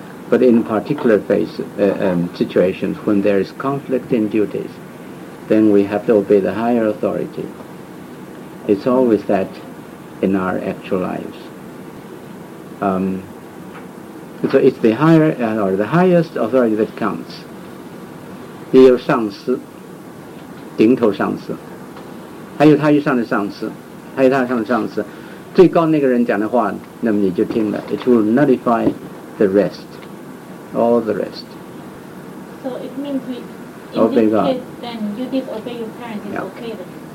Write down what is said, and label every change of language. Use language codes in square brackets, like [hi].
[en] But in particular situations, when there is conflict in duties, then we have to obey the higher authority. It's always that in our actual lives. So it's the higher, or the highest authority that counts. [zh] 也有上司，顶头上司，还有他以上的上司，还有他以上的上司，最高那个人讲的话，那么你就听了。 [en] It will nullify the rest, all the rest. So it means we, in this case, then you disobey your parents, it's okay then.